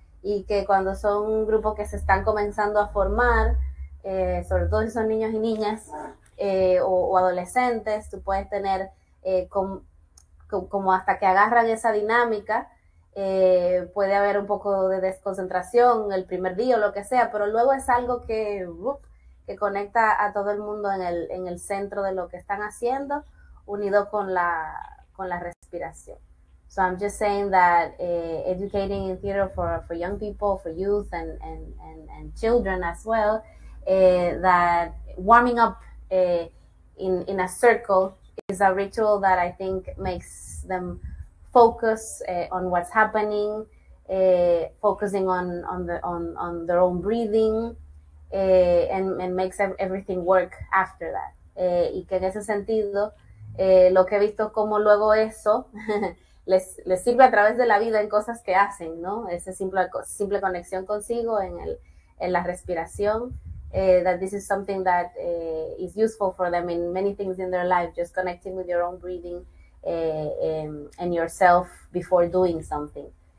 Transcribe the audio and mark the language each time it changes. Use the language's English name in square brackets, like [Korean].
[Spanish] Y que cuando son grupos que se están comenzando a formar, sobre todo si son niños y niñas o adolescentes, tú puedes tener como hasta que agarran esa dinámica, puede haber un poco de desconcentración el primer día o lo que sea, pero luego es algo que conecta a todo el mundo en el centro de lo que están haciendo, unido con la respiración. [English] So I'm just saying that educating in theater for young people, for youth and children as well, that warming up in a circle is a ritual that I think makes them focus on what's happening, focusing on their own breathing, and makes everything work after that. [Spanish] Y que en ese sentido, lo que he visto como luego eso les sirve a través de la vida en cosas que hacen, ¿no? Esa simple conexión consigo en la respiración, [English] that this is something that is useful for them in many things in their life, just connecting with your own breathing and yourself before doing something.